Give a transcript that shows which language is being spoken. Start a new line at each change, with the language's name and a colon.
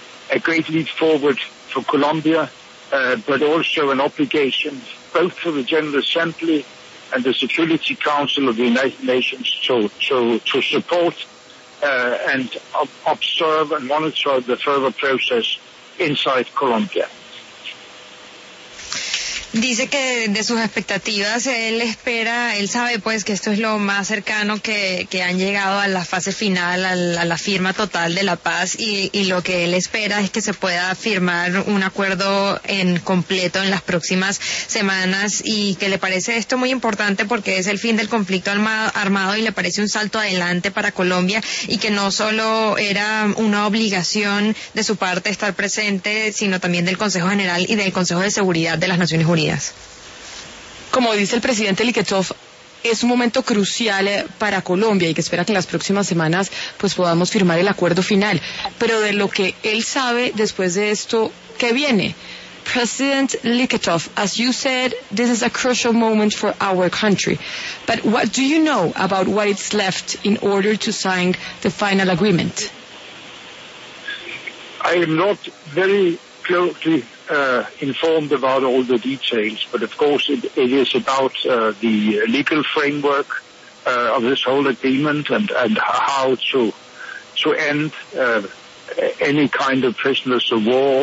English: a great leap forward for Colombia, but also an obligation both for the General Assembly and the Security Council of the United Nations to support and observe and monitor the further process inside Colombia.
Spanish: Dice que de sus expectativas él espera, él sabe pues que esto es lo más cercano que han llegado a la fase final, a la firma total de la paz, y lo que él espera es que se pueda firmar un acuerdo en completo en las próximas semanas, y que le parece esto muy importante porque es el fin del conflicto armado y le parece un salto adelante para Colombia, y que no solo era una obligación de su parte estar presente, sino también del Consejo General y del Consejo de Seguridad de las Naciones Unidas. Como dice el presidente Lykketoft, es un momento crucial para Colombia y que espera que en las próximas semanas pues podamos firmar el acuerdo final. Pero de lo que él sabe después de esto, ¿qué viene?
English: President Lykketoft, as you said, this is a crucial moment for our country. But what do you know about what is left in order to sign the final agreement? I am not very closely informed about all the details, but of course it is about the legal framework of this whole agreement and how to end any kind of prisoners of war.